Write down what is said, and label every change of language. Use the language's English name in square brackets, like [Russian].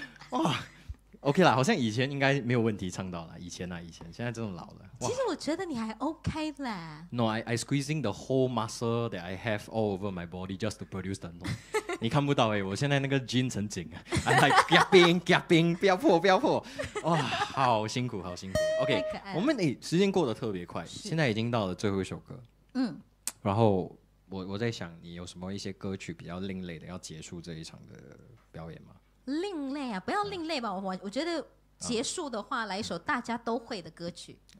[Chinese] 哇 ，OK 啦，好像以前应该没有问题唱到了，以前啊，以前，现在真的老了。其实我觉得你还 OK 啦。 [English] No, I squeezing the whole muscle that I have all over my body just to produce the note. [Chinese] 你看不到哎、欸，我现在那个筋很紧啊。 [English] I'm like gapping, gapping, [Chinese] 不要破，不要破。哇，好辛苦，好辛苦。 OK， 我们时间过得特别快，现在已经到了最后一首歌。嗯，然后。我在想你有什么一些歌曲比较另类的要结束这一场的表演吗？另类啊，不要另类吧、嗯、我觉得结束的话、啊、来一首大家都会的歌曲，